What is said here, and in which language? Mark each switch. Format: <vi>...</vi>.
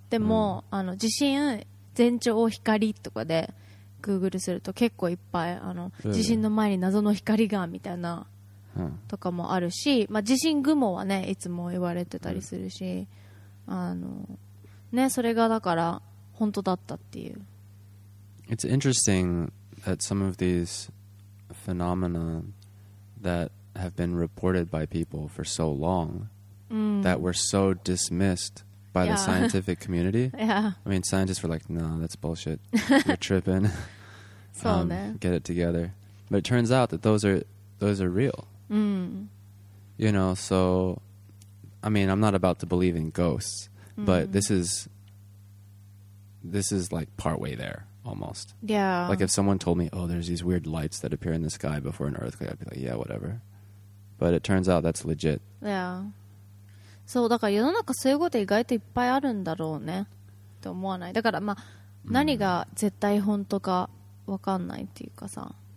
<ja>でも、うん、地震前兆光とかで Google すると結構いっぱい地震の前に謎の光がみたいなとかもあるし、まあ、地震雲はねいつも言われてたりするし、うん、ね、それがだから本当だったっていう。</ja> <en>It's interestingthat some of these phenomena that have been reported by people for so long、that were so dismissed by、the scientific community. Yeah. I mean, scientists were like, no, that's bullshit. You're tripping. So, get it together. But it turns out that those are real.、You know, so, I mean, I'm not about to believe in ghosts,、but this is like partway there. Almost. Yeah. Like if someone told me, oh, there's these weird lights that appear in the sky before an earthquake, I'd be like, yeah, whatever. But it turns out that's legit. Yeah.</en> <ja>So, だから世の中そういうこと意外といっぱいあるんだろうねと思わない。だからまあ、何が絶対本当か分かんないっていうかさ。</ja>